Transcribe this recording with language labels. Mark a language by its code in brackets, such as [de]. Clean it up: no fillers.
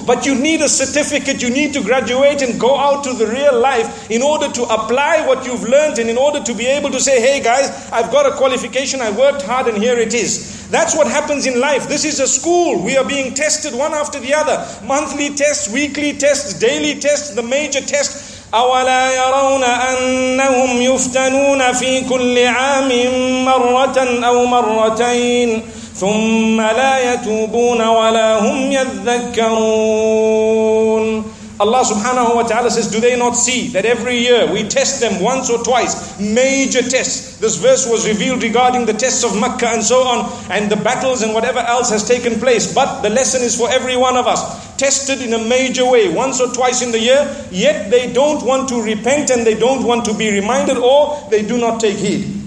[en] But you need a certificate. You need to graduate and go out to the real life in order to apply what you've learned and in order to be able to say, hey guys, I've got a qualification. I worked hard and here it is. That's what happens in life. This is a school. We are being tested one after the other. Monthly tests, weekly tests, daily tests, the major test. [ar] أولا يرون أنهم يفتنون في كل عام مرة أو مرتين ثم لا يتوبون ولا هم يذكرون. [en] Allah subhanahu wa ta'ala says, do they not see that every year we test them once or twice, major tests. This verse was revealed regarding the tests of Makkah and so on, and the battles and whatever else has taken place. But the lesson is for every one of us, tested in a major way, once or twice in the year, yet they don't want to repent and they don't want to be reminded, or they do not take heed.